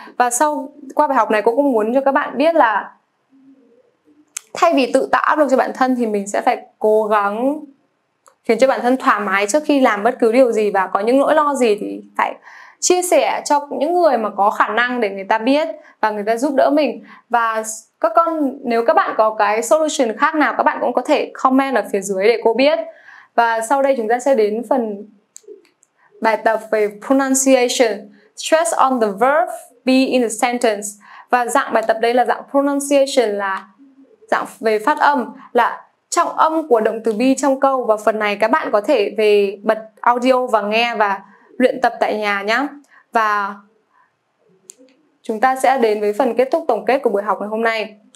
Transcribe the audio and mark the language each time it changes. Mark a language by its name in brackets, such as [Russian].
[Vietnamese] Và sau qua bài học này cô cũng muốn cho các bạn biết là thay vì tự tạo áp lực cho bản thân thì mình sẽ phải cố gắng khiến cho bản thân thoải mái trước khi làm bất cứ điều gì, và có những nỗi lo gì thì phải chia sẻ cho những người mà có khả năng để người ta biết và người ta giúp đỡ mình. Và các con, nếu các bạn có cái solution khác nào, các bạn cũng có thể comment ở phía dưới để cô biết. Và sau đây chúng ta sẽ đến phần bài tập về pronunciation. [English] Stress on the verb be in the sentence. [Vietnamese] Và dạng bài tập đây là dạng pronunciation, là dạng về phát âm, là trọng âm của động từ be trong câu. Và phần này các bạn có thể về bật audio và nghe và luyện tập tại nhà nhé. Và chúng ta sẽ đến với phần kết thúc tổng kết của buổi học ngày hôm nay.